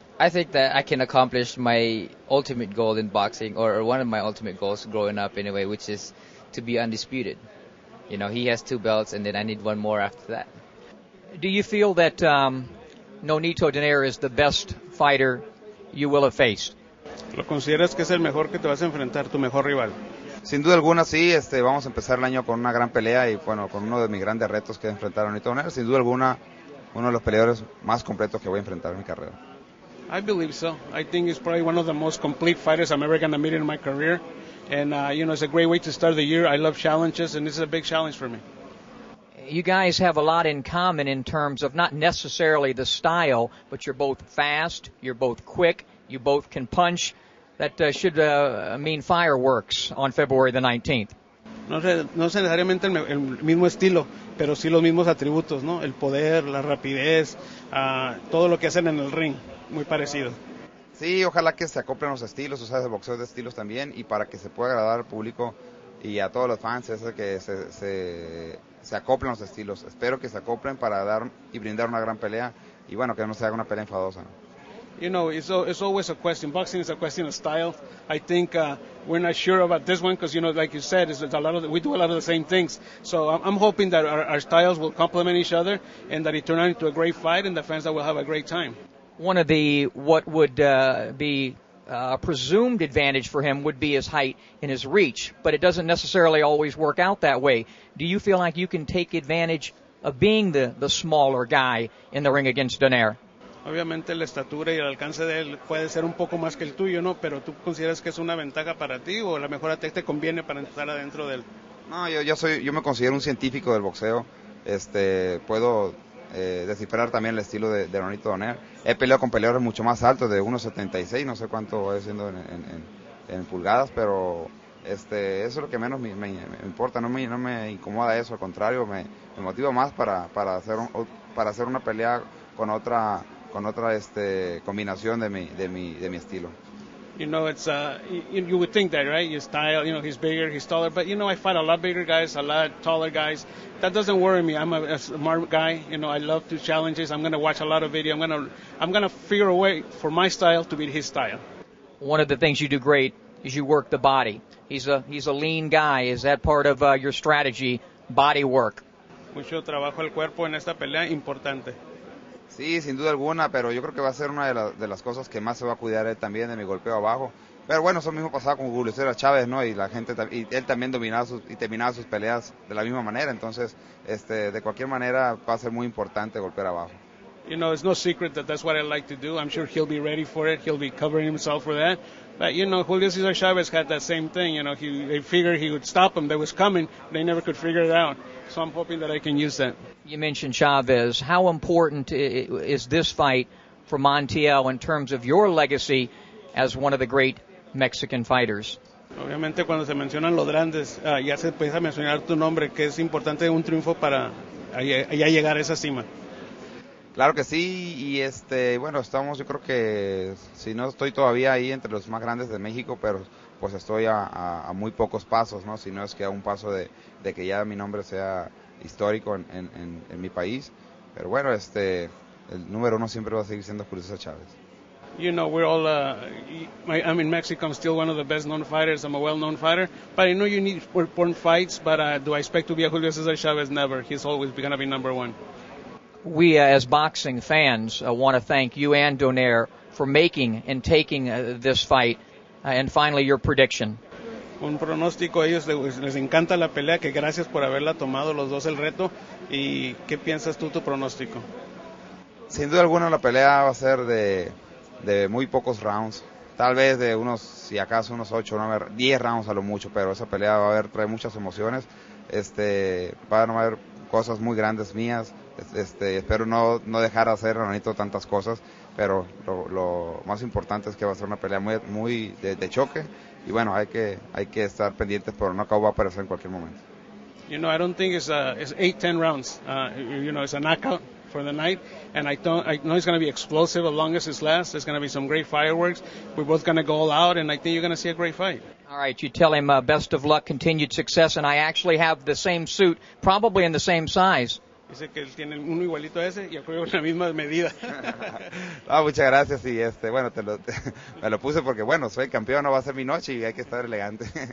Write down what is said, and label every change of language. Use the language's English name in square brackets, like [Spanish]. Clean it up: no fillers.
[English] I think that I can accomplish my ultimate goal in boxing, or one of my ultimate goals growing up anyway, which is to be undisputed. You know, he has two belts, and then I need one more after that. Do you feel that Nonito Donaire is the best fighter you will have faced? [Spanish] ¿Lo consideras que es el mejor que te vas a enfrentar, tu mejor rival? Sin duda alguna, sí. Vamos a empezar el año con una gran pelea y, bueno, con uno de mis grandes retos que enfrentar a Nonito Donaire. Sin duda alguna, uno de los peleadores más completos que voy a enfrentar en mi carrera. [English] I believe so. I think he's probably one of the most complete fighters I'm ever going to meet in my career. And, you know, it's a great way to start the year. I love challenges, and this is a big challenge for me. You guys have a lot in common in terms of not necessarily the style, but you're both fast, you're both quick, you both can punch. That should mean fireworks on February the 19th. [Spanish] No sé necesariamente el mismo estilo, pero sí los mismos atributos, ¿no? El poder, la rapidez, todo lo que hacen en el ring. Muy parecido. Sí, ojalá que se acoplen los estilos, o sea, el boxeo de estilos también, y para que se pueda agradar al público, y a todos los fans es que se acoplen los estilos. Espero que se acoplen para dar y brindar una gran pelea y bueno, que no se haga una pelea enfadosa, ¿no? [English] You know, it's always a question. Boxing is a question of style. I think we're not sure about this one because, you know, like you said, we do a lot of the same things. So I'm hoping that our styles will complement each other and that it turn out into a great fight and the fans that will have a great time. One of the what would be a presumed advantage for him would be his height and his reach, but it doesn't necessarily always work out that way. Do you feel like you can take advantage of being the smaller guy in the ring against Donaire? [Spanish] Obviamente la estatura y el alcance de él puede ser un poco más que el tuyo, ¿no? Pero tú consideras que es una ventaja para ti o a lo mejor a ti te conviene para entrar adentro de él. No, yo me considero un científico del boxeo. Puedo descifrar también el estilo de Nonito Donaire. He peleado con peleadores mucho más altos, de 1.76, no sé cuánto va siendo en pulgadas, pero eso es lo que menos me importa, no me incomoda eso, al contrario, me motiva más para hacer una pelea con otra combinación de mi estilo. [English] You know, it's you would think that, right? Your style, you know, he's bigger, he's taller, but you know, I fight a lot bigger guys, a lot taller guys. That doesn't worry me. I'm a smart guy. You know, I love to challenge. I'm going to watch a lot of video. I'm going to figure a way for my style to beat his style. One of the things you do great is you work the body. He's a lean guy. Is that part of your strategy, body work? [Spanish] Mucho trabajo el cuerpo en esta pelea, importante. Sí, sin duda alguna, pero yo creo que va a ser una de las cosas que más se va a cuidar él también, de mi golpeo abajo. Pero bueno, eso mismo pasaba con Julio César Chávez, ¿no? Y la gente, y él también dominaba sus y terminaba sus peleas de la misma manera. Entonces, de cualquier manera, va a ser muy importante golpear abajo. [English] You know, it's no secret that that's what I like to do. I'm sure he'll be ready for it. He'll be covering himself for that. But, you know, Julio César Chávez had that same thing. You know, they figured he would stop him. That was coming. They never could figure it out. So I'm hoping that I can use that. You mentioned Chavez. How important is this fight for Montiel in terms of your legacy as one of the great Mexican fighters? [Spanish] Obviamente, cuando se mencionan los grandes, ya se empieza a mencionar tu nombre, que es importante un triunfo para ya llegar a esa cima. Claro que sí, y bueno, estamos, yo creo que, si no estoy todavía ahí entre los más grandes de México, pero pues estoy a muy pocos pasos, ¿no? Si no es que a un paso de que ya mi nombre sea histórico en mi país. Pero bueno, el número uno siempre va a seguir siendo Julio César Chávez. [English] You know, we're all, I'm in Mexico, I'm still one of the best known fighters, I'm a well-known fighter, but I know you need important fights, but do I expect to be a Julio César Chávez? Never. He's always going to be number one. We, as boxing fans, want to thank you and Donaire for making and taking this fight. And finally, your prediction. [Spanish] Un pronóstico, ellos les encanta la pelea, que gracias por haberla tomado los dos el reto. ¿Y qué piensas tú, tu pronóstico? Sin duda alguna, la pelea va a ser de muy pocos rounds. Tal vez de unos, si acaso, unos 8, 9, 10 rounds a lo mucho, pero esa pelea va a haber, trae muchas emociones. Van a haber cosas muy grandes mías. Espero no dejar hacer Ronito tantas cosas, pero lo más importante es que va a ser una pelea muy muy de choque, y bueno, hay que estar pendientes, pero no acabo de aparecer en cualquier momento. [English] You know, I don't think it's 8-10 rounds. You know, it's a knockout for the night, and I know it's going to be explosive as long as it lasts. There's going to be some great fireworks. We're both going to go all out, and I think you're going to see a great fight. All right, you tell him best of luck, continued success, and I actually have the same suit, probably in the same size. [Spanish] Dice que él tiene uno igualito a ese y acuerdo con la misma medida. Ah, muchas gracias. Y bueno, me lo puse porque, bueno, soy campeón, no va a ser mi noche y hay que estar elegante.